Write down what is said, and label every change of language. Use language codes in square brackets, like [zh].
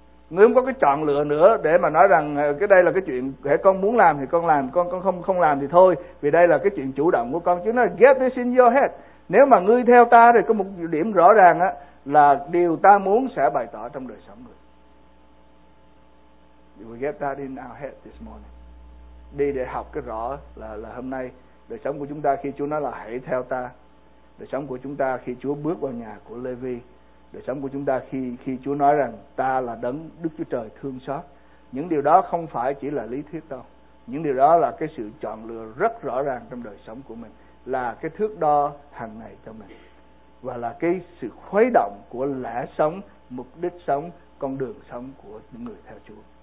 [vi] Người không có cái chọn lựa nữa để mà nói rằng cái đây là cái chuyện hễ con muốn làm thì con làm, con không làm thì thôi, vì đây là cái chuyện chủ động của con. Chứ nó [en] get this in your head. [vi] Nếu mà ngươi theo ta thì có một điểm rõ ràng á, là điều ta muốn sẽ bày tỏ trong đời sống người. [en] You will get that in our head this morning. [vi] Đi để học cái rõ là hôm nay đời sống của chúng ta khi Chúa nói là hãy theo ta, đời sống của chúng ta khi Chúa bước vào nhà của Levi, đời sống của chúng ta khi Chúa nói rằng ta là đấng Đức Chúa Trời thương xót. Những điều đó không phải chỉ là lý thuyết đâu. Những điều đó là cái sự chọn lựa rất rõ ràng trong đời sống của mình, là cái thước đo hàng ngày cho mình, và là cái sự khuấy động của lẽ sống, mục đích sống, con đường sống của những người theo Chúa.